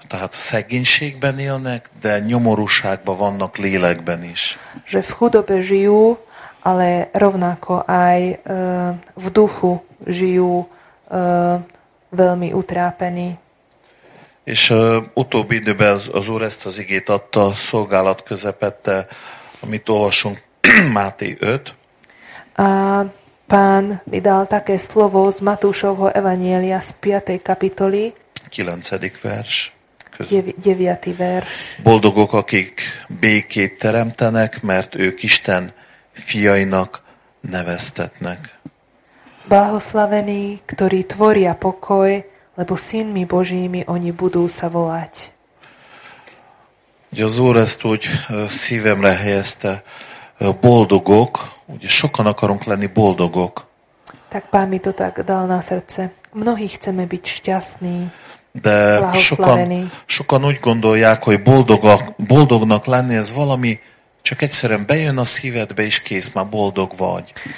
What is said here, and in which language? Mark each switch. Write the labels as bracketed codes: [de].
[hu] Tehát szegénységben élnek, de nyomorúságban vannak lélekben is. [sk] Že v chudobe žijú, ale rovnako aj v duchu žijú veľmi utrápený. [hu] És utóbbi időben az Úr ezt az igét adta a szolgálat közepette, amit olvasunk Máté 5. [sk] A Pán mi dal také slovo z Matúšovho evanjelia z 5. kapitoli. [hu] 9. vers. [sk] 9. vers. [hu] Boldogok, akik békét teremtenek, mert ők Isten fiainak neveztetnek. [sk] Blahoslavení, ktorí tvoria pokoj, lebo synmi Božími oni budú sa volať. [hu] Ugye az Úr ezt úgy szívemre helyezte, boldogok, ugye sokan akarunk lenni boldogok. [sk] Tak Pán mi to tak dal na srdce. Mnohí chceme byť šťastní, [hu] de [sk] blahoslavení. [hu] Sokan úgy gondolják, hogy boldognak lenni, ez valami, csak egyszerűen bejön a szívedbe, és kész, már boldog vagy.